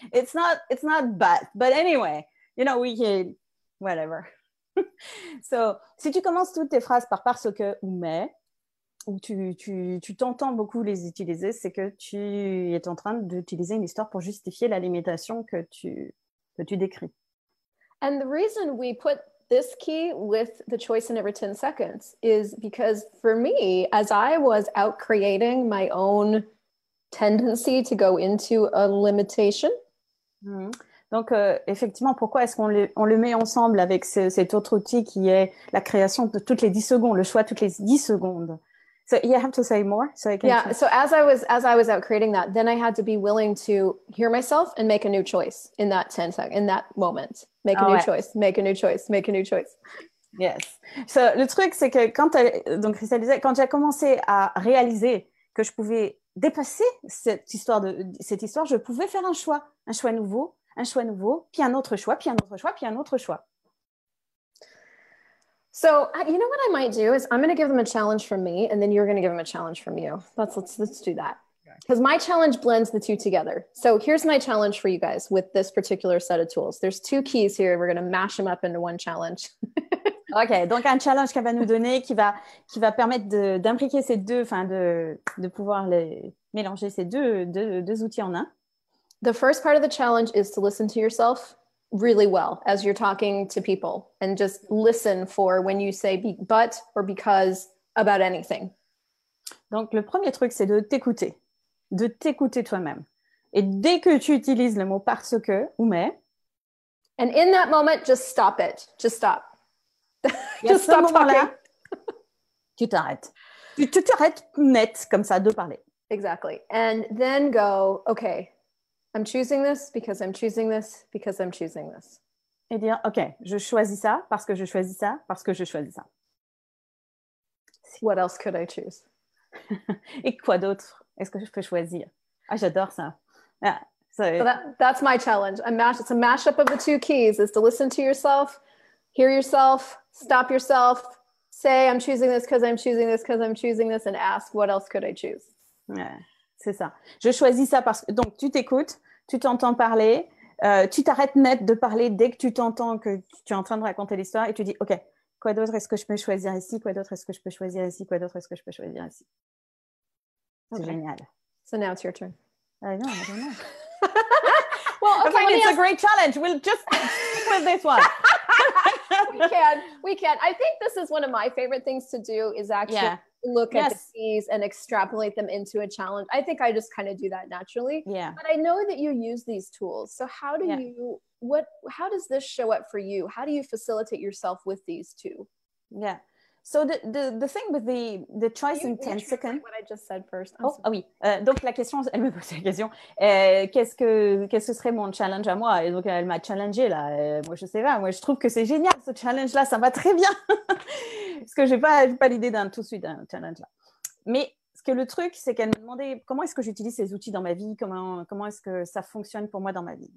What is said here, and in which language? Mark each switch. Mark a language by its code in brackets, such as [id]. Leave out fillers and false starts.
[en] It's not but. But anyway, you know, we can, whatever. [fr] So, si tu commences toutes tes phrases par parce que ou mais, ou tu t'entends beaucoup les utiliser, c'est que tu es en train d'utiliser une histoire pour justifier la limitation que tu décris. [en] And the reason we put this key with the choice in every 10 seconds is because for me, as I was out creating my own tendency to go into a limitation. Mm-hmm. [fr] Donc, effectivement, pourquoi est-ce qu'on le met ensemble avec cet autre outil qui est la création de toutes les 10 secondes, le choix toutes les 10 secondes? [en] So you have to say more so I can. Yeah. So as I was out creating that, then I had to be willing to hear myself and make a new choice in that 10 seconds, in that moment. Make a new choice. Make a new choice. Make a new choice. Yes. [fr] So le truc c'est que quand j'ai commencé à réaliser que je pouvais dépasser cette histoire, je pouvais faire un choix nouveau, puis un autre choix, puis un autre choix, puis un autre choix. [en] So, you know what I might do is I'm going to give them a challenge from me and then you're going to give them a challenge from you. Let's do that. Because my challenge blends the two together. So here's my challenge for you guys with this particular set of tools. There's two keys here. We're going to mash them up into one challenge. Okay. [fr] Donc, un challenge qu'elle va nous donner qui va permettre d'imbriquer ces deux, enfin, de pouvoir les mélanger ces deux outils en un. [en] The first part of the challenge is to listen to yourself really well as you're talking to people and just listen for when you say but or because about anything. [fr] Donc le premier truc c'est de t'écouter toi-même. Et dès que tu utilises le mot parce que ou mais, [en] and in that moment just stop it. Just stop. Just stop talking. [fr] Tu t'arrêtes net comme ça de parler. [en] Exactly. And then go, okay. I'm choosing this because I'm choosing this because I'm choosing this. [fr] Et dire, OK, je choisis ça parce que je choisis ça parce que je choisis ça. [en] What else could I choose? [fr] Et quoi d'autre est-ce que je peux choisir? Ah, j'adore ça. Yeah, [en] so that's my challenge. It's a mashup of the two keys is to listen to yourself, hear yourself, stop yourself, say I'm choosing this because I'm choosing this because I'm choosing this and ask what else could I choose? [fr] Yeah. C'est ça. Je choisis ça parce que donc tu t'écoutes, tu t'entends parler, tu t'arrêtes net de parler dès que tu t'entends que tu es en train de raconter l'histoire et tu dis ok, quoi d'autre est-ce que je peux choisir ici, quoi d'autre est-ce que je peux choisir ici, quoi d'autre est-ce que je peux choisir ici. C'est okay. Génial. [en] So now it's your turn. Non, I don't know. Well, okay, I mean, it's a great challenge. We'll just stick with this one. We can. I think this is one of my favorite things to do is actually. Yeah. Look yes. at the keys and extrapolate them into a challenge. I think I just kind of do that naturally. Yeah. But I know that you use these tools. So how do you, what, how does this show up for you? How do you facilitate yourself with these two? Yeah. So the thing with the choice in 10 seconds. What I just said first. [fr] Oh, oui. Donc la question, elle me pose la question. Qu'est-ce que serait mon challenge à moi? Et donc elle m'a challengé là. Moi, je sais pas. Moi, je trouve que c'est génial ce challenge là. Ça va très bien. Parce que j'ai pas l'idée d'un tout de suite d'un challenge là. Mais ce que le truc, c'est qu'elle me demandait comment est-ce que j'utilise ces outils dans ma vie, comment est-ce que ça fonctionne pour moi dans ma vie.